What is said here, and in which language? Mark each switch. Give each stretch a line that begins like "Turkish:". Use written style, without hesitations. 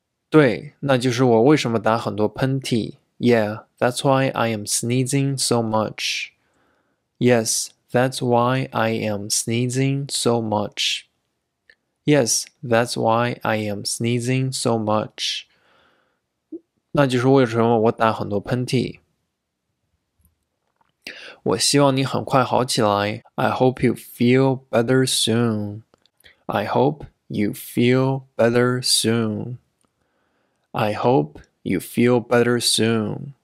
Chinese: 对，那就是我为什么打很多喷嚏。
English: Yeah, that's why I am sneezing so much. Yes. That's why I am sneezing so much. Yes, that's why I am sneezing so much.
Chinese: 那就是为什么我打很多喷嚏。我希望你很快好起来。
English: I hope you feel better soon. I hope you feel better soon. I hope you feel better soon.